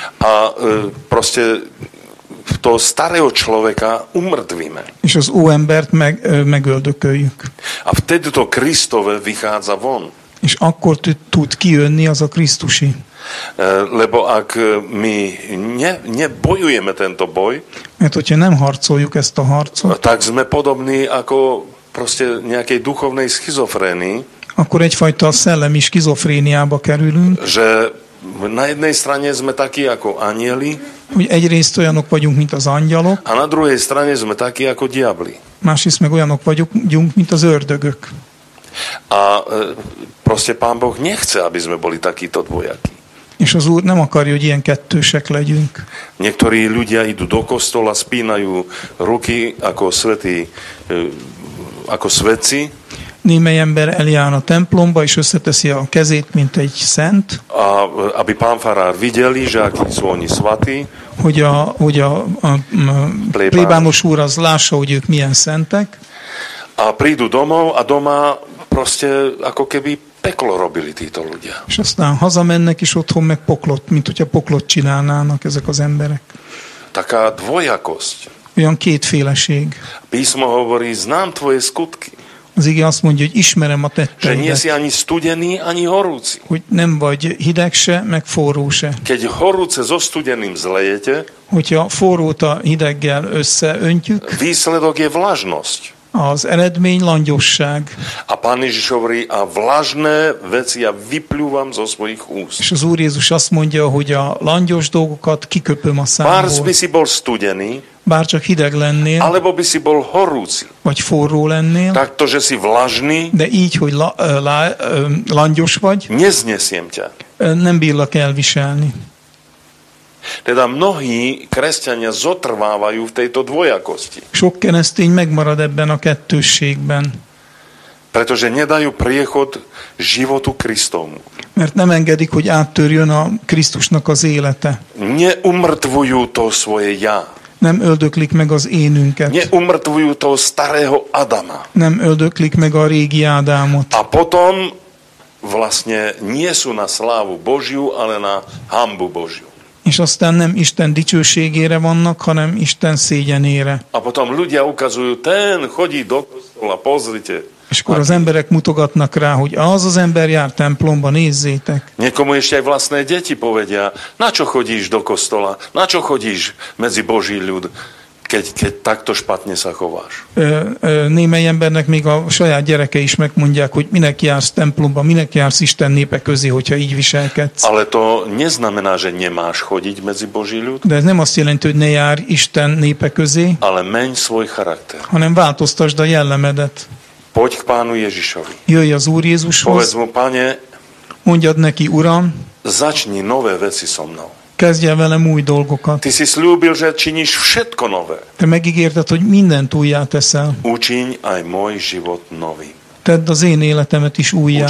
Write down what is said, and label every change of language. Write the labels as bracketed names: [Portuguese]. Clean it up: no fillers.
[Slovak] A proste to starého človeka umrtvíme. [Hungarian] És az óembert megöldököljük. [Slovak] A vtedy to Krisztove vychádza von. [Hungarian] És akkor tud kijönni az a Krisztusi. [Slovak] Lebo ak my nebojujeme tento boj, [Hungarian] mert hogyha nem harcoljuk ezt a harcot, [Slovak] tak sme podobní ako proste nejakej duchovnej schizofrénii, [Hungarian] akkor egyfajta szellemi skizofréniába kerülünk. [Slovak] Že na jednej strane sme takí ako anjeli. [Hungarian] Hogy egyrészt olyanok vagyunk, mint az angyalok. [Slovak] A na druhej strane sme takí ako diabli. [Hungarian] Másrészt meg olyanok vagyunk, mint az ördögök. [Slovak] A proste Pán Boh nechce, aby sme boli takíto dvojakí. [Hungarian] És az Úr nem akarja, hogy ilyen kettősek legyünk. [Slovak] Niektorí ľudia idú do kostola, spínajú ruky ako svätí, ako svätci. [Hungarian] Némely ember eljár a templomba, és összeteszi a kezét, mint egy szent. [Slovak] A, aby pán farár videli, že akí sú oni svatí. [Hungarian] Hogy a plébános úr az lássa, hogy ők milyen szentek. [Slovak] A prídu domov, a doma proste ako keby peklo robili títo ľudia. [Hungarian] És aztán hazamennek, és otthon meg poklot, mint hogyha poklot csinálnának ezek az emberek. [Slovak] Taká dvojakosť. [Hungarian] Olyan kétféleség. [Slovak] Písmo hovorí, znám tvoje skutky. [Hungarian] Az ige azt mondja, hogy ismerem a tetteidet. [Slovak] Že nie si ani studený, ani horúci. [Hungarian] Hogy nem vagy hideg se, meg forró se. [Slovak] Keď horúce so studeným zlejete, [Hungarian] hogyha forrót a hideggel összeöntjük, [Slovak] výsledok je vlažnosť. [Hungarian] Az eredmény langyosság. [Slovak] A Pán Ježiš hovorí, a vlažné veci ja vyplúvam zo svojich úst. [Hungarian] És az Úr Jézus azt mondja, hogy a langyos dolgokat kiköpöm a számból. [Slovak] Bár by si bol studený, [Hungarian] bár csak hideg lennél, [Slovak] alebo by si bol horúci, [Hungarian] vagy forró lennél, [Slovak] tak to, že si vlažný, [Hungarian] de így, hogy langyos vagy, [Slovak] neznesiem ťa. [Hungarian] Nem bírlak elviselni. [Slovak] Teda mnohí kresťania zotrvávajú v tejto dvojakosti. [Hungarian] Sok keresztény megmarad ebben a kettősségben. [Slovak] Pretože nedajú priechod životu Kristovmu. [Hungarian] Mert nem engedik, hogy áttörjön a Krisztusnak az élete. [Slovak] Neumrtvujú to svoje ja. [Hungarian] Nem öldöklik meg az énünket. [Slovak] Neumrtvujú to starého Adama. [Hungarian] Nem öldöklik meg a régi Ádámot. [Slovak] A potom vlastne nie sú na slávu Božiu, ale na hambu Božiu. [Hungarian] És aztán nem Isten dicsőségére vannak, hanem Isten szégyenére. [Slovak] A potom ľudia ukazujú, ten chodí do kostola, pozrite. [Hungarian] És akkor az emberek mutogatnak rá, hogy az az ember jár templomba, nézzétek. [Slovak] Niekomu ešte aj vlastné deti povedia, na čo chodíš do kostola, na čo chodíš medzi Boží ľud, keď takto špatne sa chováš. [Hungarian] Némely embernek még a saját gyereke is megmondják, hogy minek jársz templomba, minek jársz Isten népe közé, hogyha így viselkedsz. [Slovak] Ale to neznamená, že nemáš chodiť medzi Boží ľud. [Hungarian] De ez nem azt jelenti, hogy ne jár Isten népe közé. [Slovak] Ale menj svoj charakter. [Hungarian] Hanem változtasd a jellemedet. [Slovak] Poď k pánu Ježišovi. [Hungarian] Jöjj az Úr Jézushoz. [Slovak] Povedz mu, pane, [Hungarian] mondjad neki, Uram, [Slovak] začni nové veci so mnou. [Hungarian] Kezdj el velem új dolgokat. [Slovak] Ty si slúbil, že činíš všetko nové. [Hungarian] Te megígérted, hogy mindent újjá teszel. [Slovak] Učiň aj môj život nový. [Hungarian] Tedd az én életemet is újjá.